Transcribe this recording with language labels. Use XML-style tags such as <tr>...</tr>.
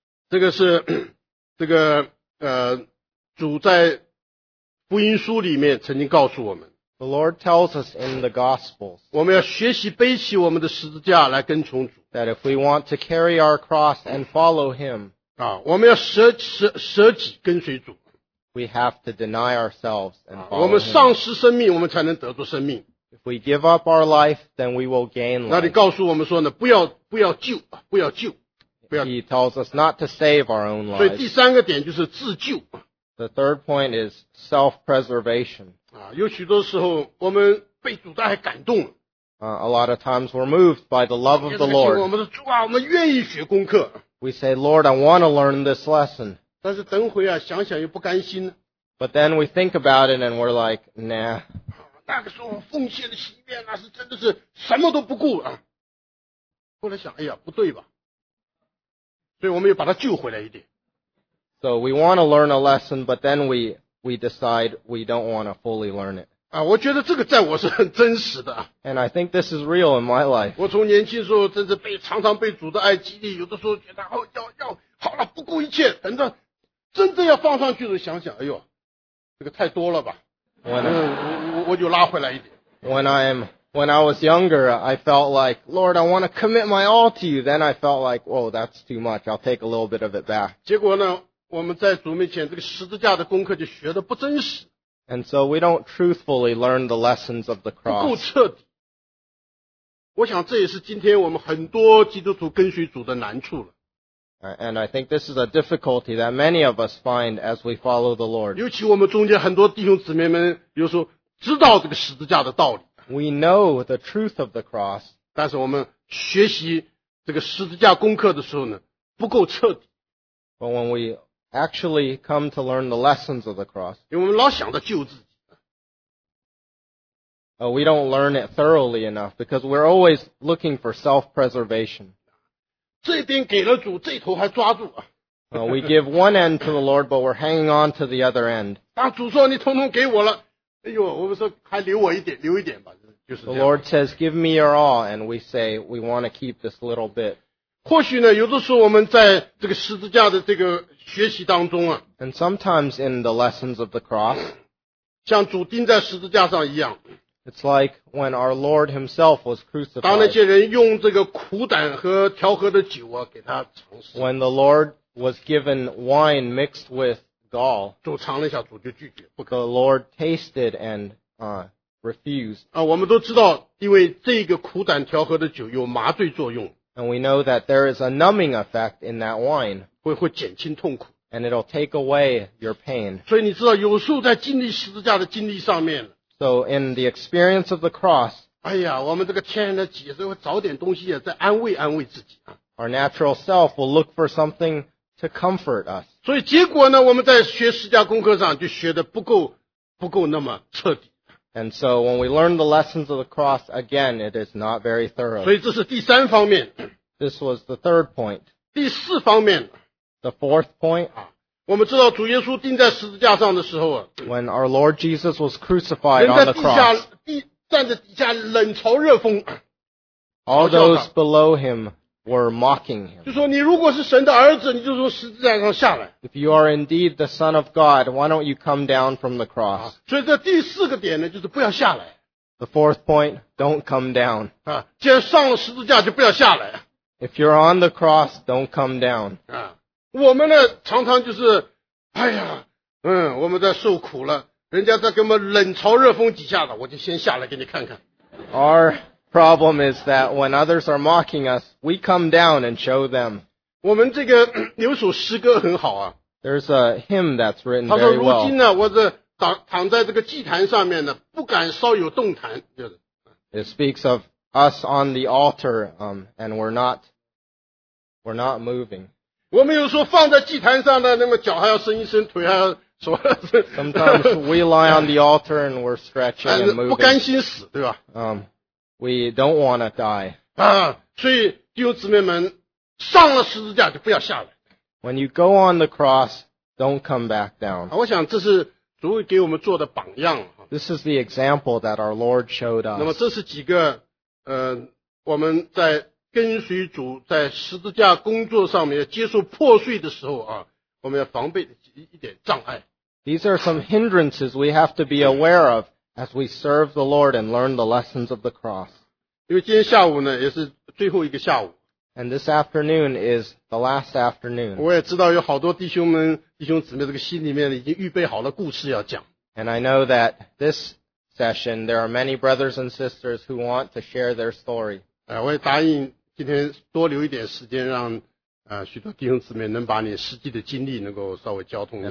<zh>这个是这个主在福音书里面曾经告诉我们。</zh> <en>The Lord tells us in the Gospels,</en> <zh>我们要学习背起我们的十字架来跟从主。</zh> <en>That if we want to carry our cross and follow Him,</en> <zh>啊，我们要舍己跟随主。</zh> <en>We have to deny ourselves and follow Him.</en> <zh>我们丧失生命，我们才能得着生命。</zh> <en>If we give up our life, then we will gain life.</en> <zh>那里告诉我们说呢，不要救。</zh> <en>He tells us not to save our own life.</en> <zh>所以第三个点就是自救。</zh> <en>The third point is self-preservation.</en> <zh>啊，有许多时候我们被主的爱感动了。</zh> <en>A lot of times we're moved by the love of the Lord.</en> <zh>我们说主啊，我们愿意学功课。</zh> <en>We say, Lord, I want to learn this lesson.</en> <zh>但是等会啊，想想又不甘心。</zh> <en>But then we think about it and we're like, nah.</en> <zh>那个时候奉献的心愿啊，是真的是什么都不顾啊。后来想，哎呀，不对吧？所以我们又把它救回来一点。</zh> <en>So we want to learn a lesson, but then we decide we don't want to fully learn it.</en> <zh>啊，我觉得这个在我是很真实的。</zh> <en>And I think this is real in my life.</en> <zh>我从年轻时候真是被常常被主的爱激励，有的时候觉得哦要好了，不顾一切，等着真正要放上去的想想，哎呦，这个太多了吧。我就拉回来一点。</zh> <en>When I was younger, I felt like, Lord, I want to commit my all to you. Then I felt like, whoa, that's too much. I'll take a little bit of it back.</en> <zh>结果呢？我们在主面前这个十字架的功课就学得不真实。</zh> <en>And so we don't truthfully learn the lessons of the cross.</en> <zh>不够彻底。我想这也是今天我们很多基督徒跟随主的难处了。</zh> <en>And I think this is a difficulty that many of us find as we follow the Lord.</en> <zh>尤其我们中间很多弟兄姊妹们有时候知道这个十字架的道理。</zh> <en>We know the truth of the cross.</en> <zh>但是我们学习这个十字架功课的时候呢不够彻底。</zh> <en>But when we actually come to learn the lessons of the cross.</en> <zh>因为我们老想着救自己。</zh> <en>We don't learn it thoroughly enough because we're always looking for self-preservation.</en> <zh>这边给了主，这头还抓住。</zh> <en>We give one end to the Lord, but we're hanging on to the other end.</en> <zh>当主说你统统给我了，哎呦，我们说还留我一点，留一点吧，就是这样。</zh> <en>The Lord says, "Give me your all," and we say we want to keep this little bit.</en> <zh>或许呢，有的时候我们在这个十字架的这个学习当中啊，</zh> <en>and sometimes in the lessons of the cross,</en> <zh>像主钉在十字架上一样，</zh> <en>it's like when our Lord himself was crucified.</en> <zh>当那些人用这个苦胆和调和的酒啊给他尝试，</zh> <en>when the Lord was given wine mixed with gall,</en> <zh>主尝了一下，主就拒绝，</zh> <en>the Lord tasted and refused.</en> <zh>啊，我们都知道，因为这个苦胆调和的酒有麻醉作用。</zh> <en>And we know that there is a numbing effect in that wine.</en> <zh>会减轻痛苦。</zh> <en>And it'll take away your pain.</en> <zh>所以你知道有时候在经历十字架的经历上面。</zh> <en>So in the experience of the cross.</en> <zh>哎呀，我们这个天然的己是会找点东西啊，再安慰安慰自己啊。</zh> <en>Our natural self will look for something to comfort us.</en> <zh>所以结果呢，我们在学十字架功课上就学的不够那么彻底。</zh> <en>And so when we learn the lessons of the cross, again, it is not very thorough.</en> <zh>所以这是第三方面。</zh> <en>This was the third point.</en> <zh>第四方面。</zh> <en>The fourth point.</en> <zh>我们知道主耶稣钉在十字架上的时候。</zh> <en>When our Lord Jesus was crucified on the cross.</en> <zh>站在底下冷嘲热讽。</zh> <en>All those below him were mocking him.</en> <zh>就说你如果是神的儿子，你就从十字架上下来。</zh> <en>If you are indeed the Son of God, why don't you come down from the cross?</en> <zh>所以这第四个点呢，就是不要下来。</zh> <en>The fourth point, don't come down.</en> <zh>啊，既然上了十字架，就不要下来。</zh> <en>If you're on the cross, don't come down.</en> <zh>啊，我们呢，常常就是，哎呀，我们在受苦了，人家在给我们冷嘲热讽几下子，我就先下来给你看看。</zh> <en>The problem is that when others are mocking us, we come down and show them.</en> <zh>我们这个有首诗歌很好啊。</zh> <en>There's a hymn that's written very well.</en> <zh>他说如今呢，我这躺在这个祭坛上面呢，不敢稍有动弹。</zh> <en>It speaks of us on the altar, and we're not moving.</en> <zh>我们有时候放在祭坛上呢，那么脚还要伸一伸，腿还要说。</zh> <en>Sometimes we lie on the altar and we're stretching and moving.</en> <zh>不甘心死，对吧？</zh> <en>We don't want to die.</en> <zh>所以弟兄姊妹们上了十字架就不要下来。</zh> <en>When you go on the cross, don't come back down.</en> <zh>我想这是主给我们做的榜样。</zh> <en>This is the example that our Lord showed us.</en> <zh>那么这是几个我们在跟随主在十字架工作上面接受破碎的时候啊，我们要防备的一点障碍。</zh> <en>These are some hindrances we have to be aware of as we serve the Lord and learn the lessons of the cross.</en> <zh>因为今天下午呢，也是最后一个下午。</zh> <en>And this afternoon is the last afternoon.</en> <zh>我也知道有好多弟兄们、弟兄姊妹这个心里面已经预备好了故事要讲。</zh> <en>And I know that this session, there are many brothers and sisters who want to share their story.</en> <zh>我也答应今天多留一点时间让许多弟兄姊妹能把你实际的经历能够稍微交通一下。</zh>